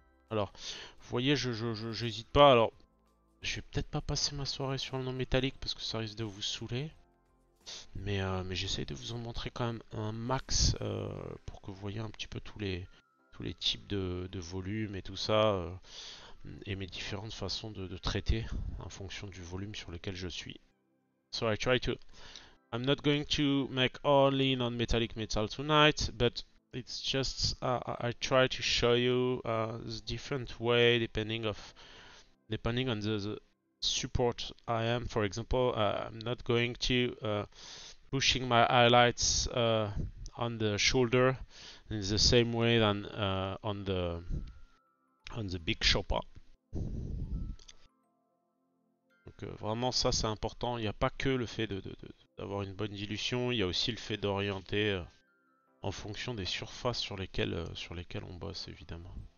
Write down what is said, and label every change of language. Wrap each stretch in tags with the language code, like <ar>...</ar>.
<fr>Alors, vous voyez, j'hésite pas. Alors, je vais peut-être pas passer ma soirée sur le nom métallique parce que ça risque de vous saouler. Mais j'essaie de vous en montrer quand même un max pour que vous voyez un petit peu tous les types de volumes et tout ça, et mes différentes façons de traiter en fonction du volume sur lequel je suis.</fr> <en>So I try to. I'm not going to make only non-metallic metal tonight, but it's just I try to show you the different way depending on the support I am. For example, I'm not going to pushing my highlights on the shoulder in the same way than on the big chopper.</en> <fr>Vraiment, ça c'est important. Il n'y a pas que le fait d'avoir une bonne dilution, il y a aussi le fait d'orienter en fonction des surfaces sur lesquelles on bosse, évidemment.</fr>